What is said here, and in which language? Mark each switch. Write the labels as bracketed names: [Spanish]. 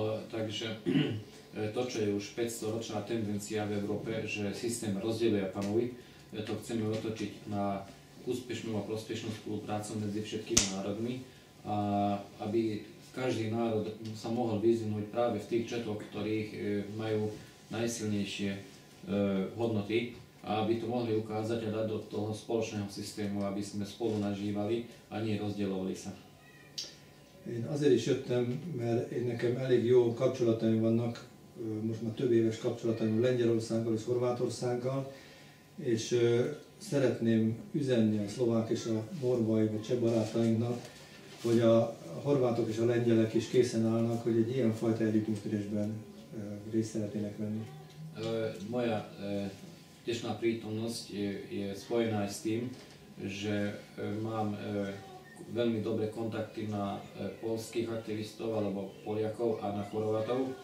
[Slovak] Takže to, čo je už 500 ročná tendencia v Európe, že systém rozdieluje a panuje, to chceme otočiť na úspešnú a prospešnú spoluprácu medzi všetkými národmi, a aby každý národ sa mohol vyzvinúť práve v tých četoch, ktorých majú najsilnejšie hodnoty, a aby to mohli ukázať a dať do toho spoločného systému, aby sme spolu nažívali a nie rozdielovali sa. [Hungarian] Én azért is jöttem, mert én nekem elég jó kapcsolataim vannak, most már több éves kapcsolataim Lengyelországgal és Horvátországgal, és szeretném üzenni a szlovák és a morvai vagy cseh barátainknak, hogy a horvátok és a lengyelek is készen állnak, hogy egy ilyen fajta együttműködésben részt szeretnének venni. [Slovak] Moja tešná prítomnosť je spojená s tým, že mám veľmi dobré kontakty na polských aktivistov alebo Poliakov a na Chorvátov.